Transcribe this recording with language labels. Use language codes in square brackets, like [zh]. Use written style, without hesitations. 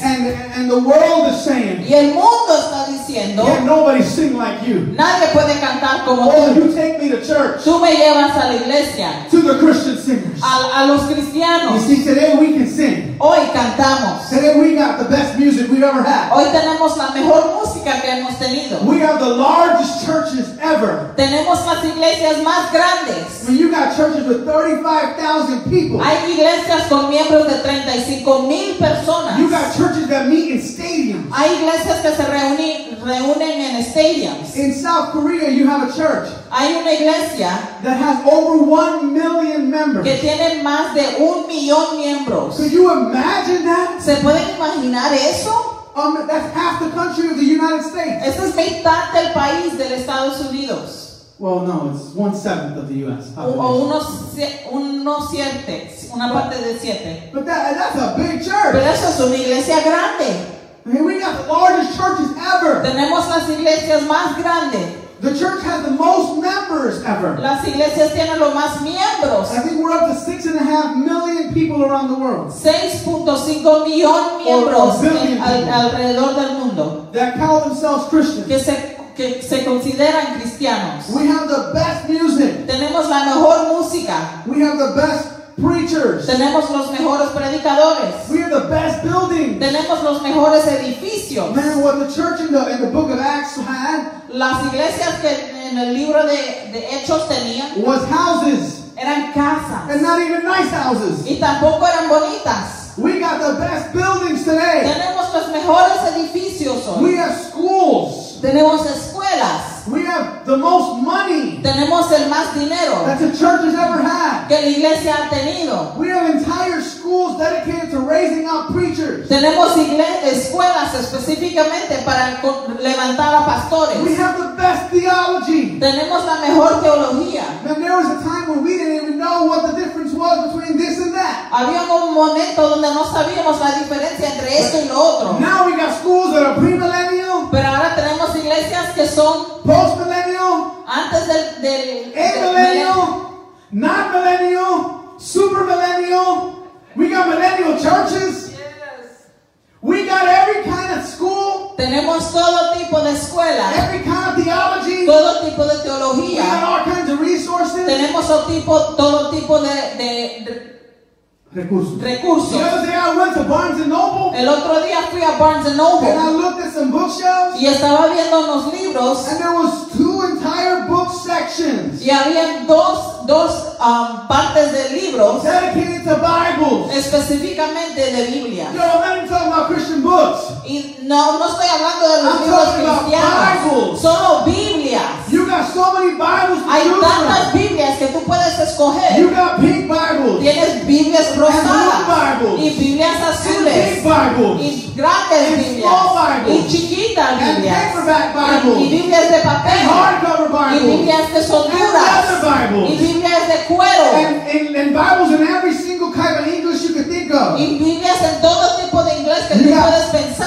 [en] And the world is saying. [es] Y el mundo está diciendo. [en] Yeah, nobody sing like you. [es] Nadie puede cantar como tú. [en] Oh, you take me to church. [es] Tú me llevas a la iglesia. [en] To the Christian singers. [es] A los cristianos. [en] You see, today we can sing. [es] Hoy cantamos. [en] Today we got the best music we've ever had. [es] Hoy tenemos la mejor música que hemos tenido. [en] We have the largest churches ever. [es] Tenemos las iglesias más grandes. [en] When you got churches with 35,000 people. [es] Hay iglesias con miembros de 35,000 personas. [en] You got churches that meet in stadiums. [es] Hay iglesias que se reúnen en [en] stadiums. In South Korea, you have a church. [es] Hay una iglesia [en] that has over 1 million members. [es] Que tiene más de 1 millón miembros. [en] Could you imagine that? [es] ¿Se pueden imaginar eso? [en] That's half the country of the United States. [es] Eso es mitad del país del Estados Unidos. [en] Well, no, it's 1/7 of the U.S. population. [es] O unos siete, una parte de siete. [en] But that's a big church. [es] Pero eso es una iglesia grande. [en] I mean, we got the largest churches ever. [es] Tenemos las iglesias más grandes. [en] The church has the most members ever. [es] Las iglesias tienen los más miembros. [en] I think we're up to 6.5 million people around the world. [es] 6.5 [en] million [es] miembros alrededor del mundo. [en] That call themselves Christians. [es] Que se consideran cristianos. [en] We have the best music. [es] Tenemos la mejor música. [en] We have the best preachers. [es] Tenemos los mejores predicadores. [en] We have the best buildings. [es] Tenemos los mejores edificios. [en] Man, what the church in the book of Acts had. [es] Las iglesias que en el libro de Hechos tenían. [en] Was houses. [es] Eran casas. [en] And not even nice houses. [es] Y tampoco eran bonitas. [en] We got the best buildings today. [es] Tenemos los mejores edificios hoy. [en] We have schools. [es] Tenemos escuelas. [en] We have the most money. [es] Tenemos el más dinero. [en] That the church has ever had. [es] Que la iglesia ha tenido. [en] We have entire schools dedicated to raising up preachers. [es] Tenemos escuelas específicamente para levantar a pastores. [en] We have the best theology. [es] Tenemos la mejor teología. [en] Now there was a time when we didn't even know what the difference was between this and that. [es] Había un momento donde no sabíamos la diferencia entre esto y lo otro. [en] Now we got schools that are premillennial. [es] Pero ahora tenemos iglesias que son [en] post-millennial, [es] antes del [en] amillennial, non-millennial, super-millennial. We got millennial churches. Yes. We got every kind of school. [es] Tenemos todo tipo de escuela. [en] Every kind of theology. [es] Todo tipo de teología. [en] We got all kinds of resources. [es] Tenemos todo tipo de recursos. [en] The other day I went to Barnes & Noble. [es] El otro día fui a Barnes & Noble. [en] And I looked at some bookshelves. [es] Y estaba viendo unos libros. [en] And there was two entire book sections. [es] Y había dos partes de libros. [en] Dedicated to Bibles. [es] Específicamente de Biblia. [en] Yo, I'm not even talking about Christian books. [es] Y no estoy hablando de los libros cristianos. [en] I'm talking about Bibles. [es] Solo Biblia. [en] You got so many Bibles to choose from. [es] Hay tantas Biblias que tú puedes escoger. [en] You got pink Bibles. [es] Tienes Biblias rosadas. [en] And blue Bibles. [es] Y Biblias azules. [en] And big Bibles. [es] Y grandes [en] and [es] Biblias. [en] Small Bibles. [es] Y chiquitas [en] and [es] Biblias. [en] And paperback Bibles. [es] Y Biblias de papel. [en] And hardcover Bibles. [es] Y Biblias que son duras. [en] And leather Bibles. [es] Y Biblias de cuero. [en] And Bibles in every single kind of English you can think of. [es] Y Biblias en todo tipo de inglés que tú puedes pensar.